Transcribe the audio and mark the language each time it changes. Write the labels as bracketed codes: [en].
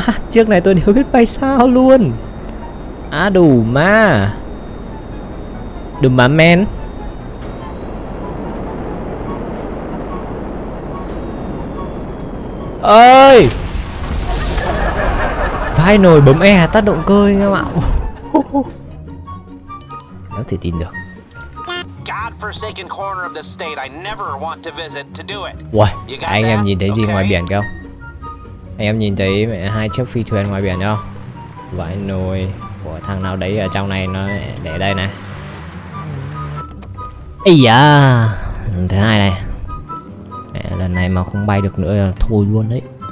[vi] Chiếc này tôi đều biết bay sao luôn. Đùm mà men. Ơi. Vai nồi bấm e tắt động cơ anh em ạ. Nó thể tin được. [en] Forsaken corner of the state I never want to visit to do it. [vi] Anh em nhìn thấy gì ngoài biển không? Anh em nhìn thấy mẹ hai chiếc phi thuyền ngoài biển không? Vãi nồi của thằng nào đấy ở trong này nó để đây này. Ây da, lần thứ hai này. Mẹ lần này mà không bay được nữa là thôi luôn đấy.